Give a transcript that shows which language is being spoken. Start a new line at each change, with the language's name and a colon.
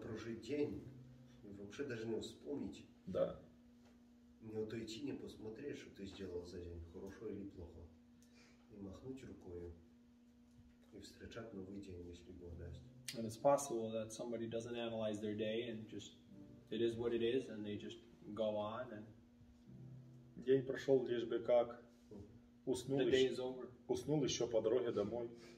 Russian: Прожить день и вообще даже не вспомнить. Да. Не отойти, не посмотреть, что ты сделал за день, хорошо или плохо. И махнуть рукой и встречать новый день, если Бог даст.
English: And it's possible that somebody doesn't analyze their day and just it is what it is and they just go on and
Russian: день прошел лишь бы как уснул.
English: The day is over.
Russian: Уснул еще по дороге домой.